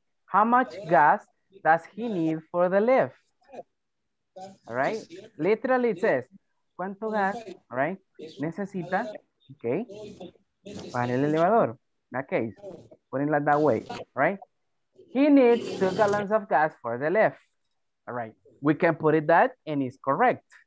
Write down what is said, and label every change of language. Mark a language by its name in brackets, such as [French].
[English] How much gas does he need for the lift? All right. Literally it says, [Spanish] ¿cuánto gas, all right, necesita, okay, para el elevador? [English] That case, putting it that way, right? He needs 2 gallons of gas for the lift. All right. We can put it that and it's correct.